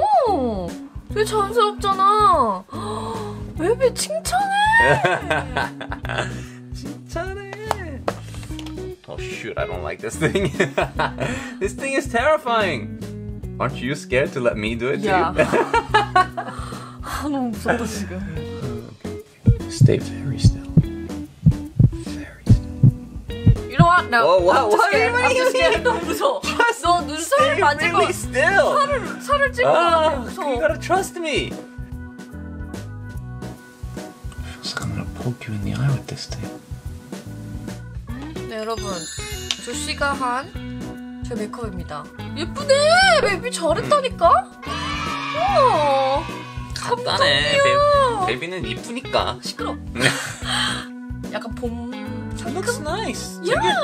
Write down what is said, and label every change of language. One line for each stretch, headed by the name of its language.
Korean: 오! 되게 자연스럽잖아. 베이비 칭찬해. 진짜네.
English: Oh shoot, I don't like this thing. This thing is terrifying. Aren't you scared to let me do it yeah. to you?
Korean: 아, 너무 무섭다 지금.
English: Stay very still. Very still. You know what? No. Whoa, whoa, what? I'm just scared.
Korean: 너무 무서워.
English: Just
Korean: 너 눈썹을
English: stay
Korean: 만지고
English: really still.
Korean: 살을 찍고 무서워.
English: You gotta trust me. Feels like I'm gonna poke you in the eye with this thing.
Korean: 네, 여러분, 조씨가 한 제 메이크업입니다. 예쁘네! 베이비 잘했다니까? 우와! 간단해! 베이비는 예쁘니까! 시끄러! 약간 봄...
English: It looks nice! Yeah!